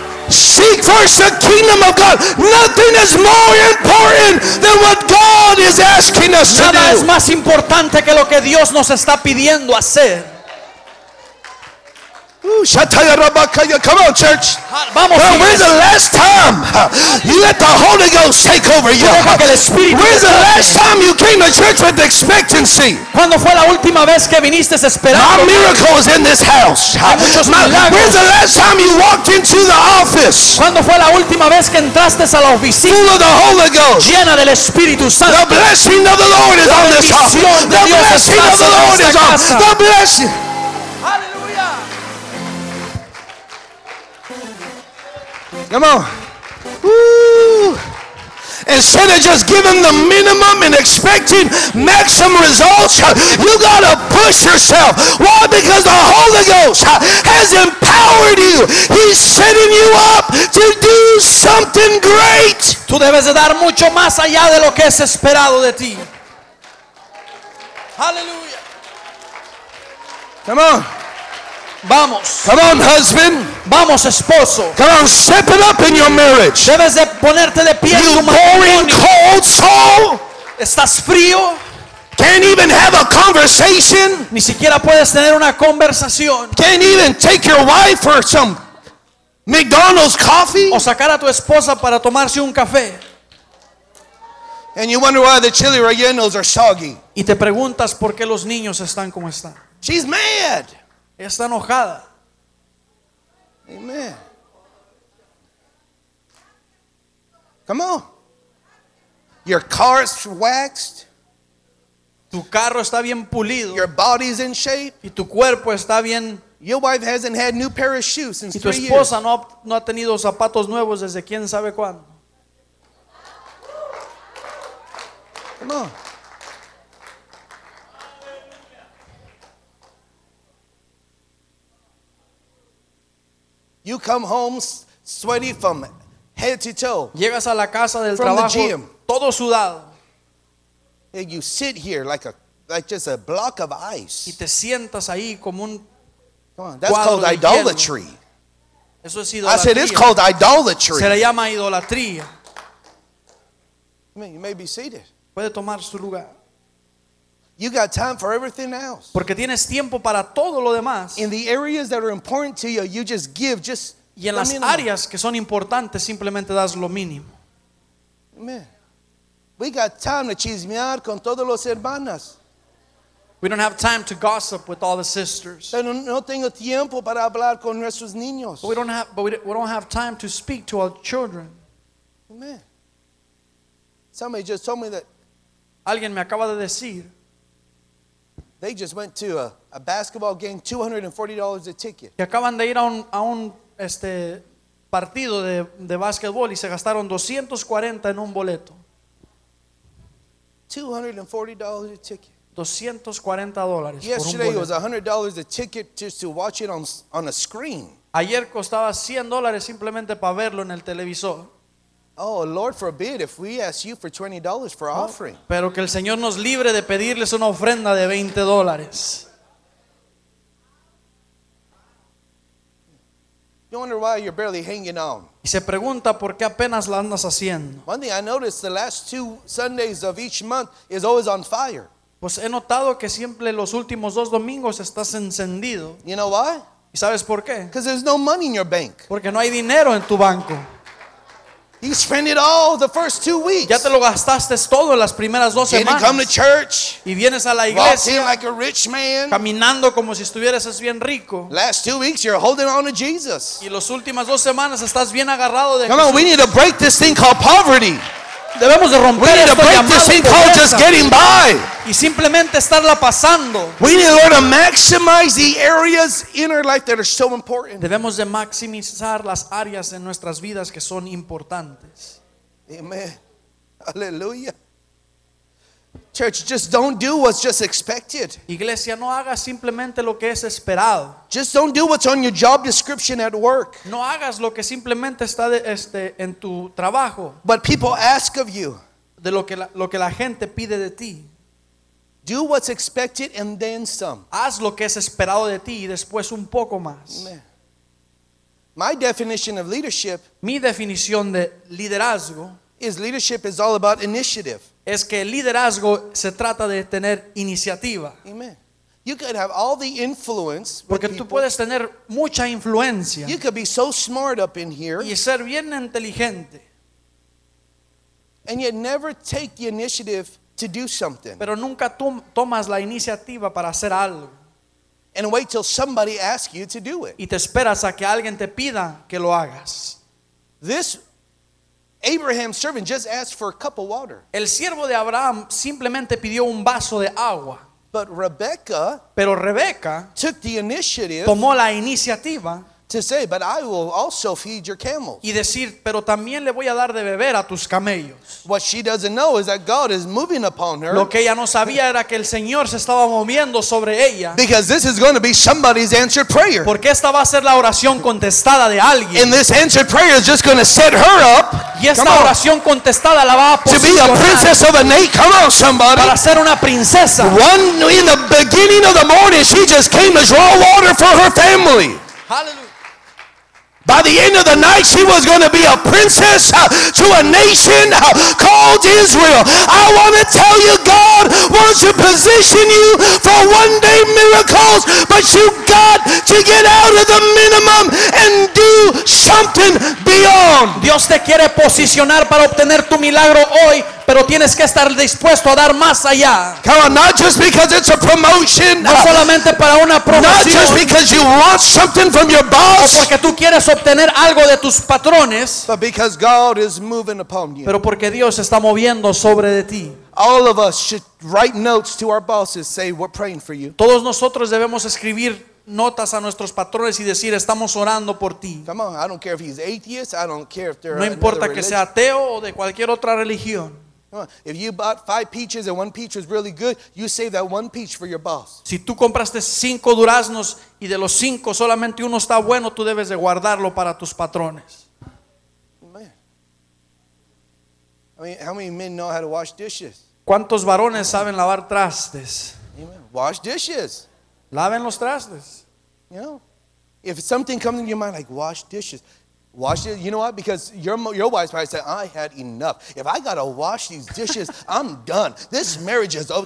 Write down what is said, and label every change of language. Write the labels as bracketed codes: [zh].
[en] Seek first the kingdom of God. Nothing is more important than what God is asking us [es] nada [en] to do. [es] Nada es más importante que lo que Dios nos está pidiendo hacer. [en] Come on, church. [es] Vamos, [en] now, when's the last time you let the Holy Ghost take over you? When's the last time you came to church with expectancy? [es] ¿Cuándo fue la última vez que viniste esperando? [en] My miracle is in this house. When's the last time you walked into the office? [es] ¿Cuándo fue la última vez que entraste a la oficina? [en] Full of the Holy Ghost. [es] Llena del Espíritu Santo. [en] The blessing of the Lord is on this house. The blessing of the Lord is on the blessing. Come on. Woo. Instead of just giving the minimum and expecting maximum results, you gotta push yourself. Why? Because the Holy Ghost has empowered you. He's setting you up to do something great. [es] Tú debes de dar mucho más allá de lo que es esperado de ti. Hallelujah. [en] Come on. [es] Vamos. [en] Come on, husband. [es] Vamos, esposo. [en] Come on, step it up in your marriage. [es] Debes de ponerte de pie. [en] You boring, cold soul. [es] Estás frío. [en] Can't even have a conversation. [es] Ni siquiera puedes tener una conversación. [en] Can't even take your wife for some McDonald's coffee. [es] O sacar a tu esposa para tomarse un café. [en] And you wonder why the chili rellenos are soggy. [es] Y te preguntas por qué los niños están como están. [en] She's mad. [es] Está enojada. [en] Amen. Come on. Your car's waxed. [es] Tu carro está bien pulido. [en] Your body's in shape. [es] Y tu cuerpo está bien. [en] Your wife hasn't had new pair of shoes since 3 years. [es] Y tu esposa no ha tenido zapatos nuevos desde quién sabe cuándo. [en] Come on. You come home sweaty from head to toe. [es] Llegas a la casa del trabajo todo sudado. [en] And you sit here like a like just a block of ice. [es] Y te sientas ahí como un cuadro. [en] That's called idolatry. [es] Eso es idolatría. [en] I said it's called idolatry. [es] Se le llama idolatría. [en] I mean, you may be seated. [es] Puede tomar su lugar. [en] You got time for everything else. [es] Porque tienes tiempo para todo lo demás. [en] In the areas that are important to you, you just give just [es] y en las áreas que son importantes simplemente das lo mínimo. [en] Amen. We got time to [es] chismear con todos los hermanas. [en] We don't have time to gossip with all the sisters. [es] Pero no tengo tiempo para hablar con nuestros niños. [en] But we don't have time to speak to our children. Amen. Somebody just told me that. [es] Alguien me acaba de decir. [en] They just went to a basketball game, $240 a ticket. [es] Y acaban de ir a un partido de basketball y se gastaron $240 en un boleto. [en] $240 a ticket. [es] $240 por un boleto. [en] Yesterday it was $100 a ticket just to watch it on a screen. [es] Ayer costaba $100 simplemente para verlo en el televisor. [en] Oh, Lord forbid if we ask you for $20 for offering. [es] Pero que el Señor nos libre de pedirles una ofrenda de $20. [en] You wonder why you're barely hanging on. [es] Y se pregunta por qué apenas la andas haciendo. [en] One thing I noticed the last two Sundays of each month is always on fire. [es] Pues he notado que siempre los últimos dos domingos estás encendido. [en] You know why? [es] ¿Y sabes por qué? [en] Because there's no money in your bank. [es] Porque no hay dinero en tu banco. [en] You spend it all the first 2 weeks. [es] Ya te lo gastaste todo las primeras dos semanas. [en] You come to church. [es] Y vienes a la iglesia. [en] Walking like a rich man. [es] Caminando como si estuvieras bien rico. [en] Last 2 weeks you're holding on to Jesus. [es] Y las últimas dos semanas estás bien agarrado de Jesús. [en] Come on, we need to break this thing called poverty. [es] Debemos de romper esto. [en] We need to break this thing called just getting by. [es] Y simplemente estarla pasando. [en] We need to learn to maximize the areas in our life that are so important. [es] Debemos de maximizar las áreas en nuestras vidas que son importantes. [en] Amen. Aleluya. Church, just don't do what's just expected. [es] Iglesia, no hagas simplemente lo que es esperado. [en] Just don't do what's on your job description at work. [es] No hagas lo que simplemente está en tu trabajo. [en] But people ask of you. [es] De lo que la gente pide de ti. [en] Do what's expected and then some. [es] Haz lo que es esperado de ti y después un poco más. [en] Amen. My definition of leadership. [es] Mi definición de liderazgo. [en] Is leadership is all about initiative. [es] Es que el liderazgo se trata de tener iniciativa. [en] Amen. You could have all the influence. [es] Porque tú puedes tener mucha influencia. [en] You could be so smart up in here. [es] Y ser bien inteligente. [en] And yet never take the initiative to do something. [es] Pero nunca tú tomas la iniciativa para hacer algo. [en] And wait till somebody asks you to do it. [es] Y te esperas a que alguien te pida que lo hagas. [en] This Abraham's servant just asked for a cup of water. [es] El siervo de Abraham simplemente pidió un vaso de agua. [en] But Rebecca [es] Pero Rebeca [en] took the initiative. [es] Tomó la iniciativa. [en] To say, but I will also feed your camels. [es] Y decir, pero también le voy a dar de beber a tus camellos. [en] What she doesn't know is that God is moving upon her. [es] Lo que ella no sabía era que el Señor se estaba moviendo sobre ella. [en] Because this is going to be somebody's answered prayer. [es] Porque esta va a ser la oración contestada de alguien. [en] And this answered prayer is just going to set her up. [es] Y esta oración contestada la va a posicionar. [en] To be a princess of a nation. Come on, somebody. [es] Para ser una princesa. [en] One in the beginning of the morning, she just came to draw water for her family. Hallelujah. By the end of the night, she was going to be a princess to a nation called Israel. I want to tell you, God wants to position you for one day miracles, but you got to get out of the minimum and do something beyond. [es] Dios te quiere posicionar para obtener tu milagro hoy, pero tienes que estar dispuesto a dar más allá. [en] Come on, not just because it's a promotion. [es] No solamente para una promoción. [en] Not just because you want something from your boss. [es] O porque tú quieres obtener algo de tus patrones. [en] But because God is moving upon you. [es] Pero porque Dios está moviendo sobre de ti. [en] All of us should write notes to our bosses, say we're praying for you. [es] Todos nosotros debemos escribir notas a nuestros patrones y decir estamos orando por ti. [en] Come on, I don't care if he's atheist. I don't care if they're. [es] No importa que sea ateo o de cualquier otra religión. [en] If you bought 5 peaches and 1 peach was really good, you save that 1 peach for your boss. [es] Si tú compraste 5 duraznos y de los 5 solamente uno está bueno, tú debes de guardarlo para tus patrones. [en] Man. I mean, how many men know how to wash dishes? [es] ¿Cuántos varones saben lavar trastes? [en] Amen. Wash dishes. [es] Laven los trastes. [en] You know, if something comes in your mind like wash dishes, wash it. You know what? Because your wife probably said, I had enough. If I got to wash these dishes, I'm done. This marriage is over.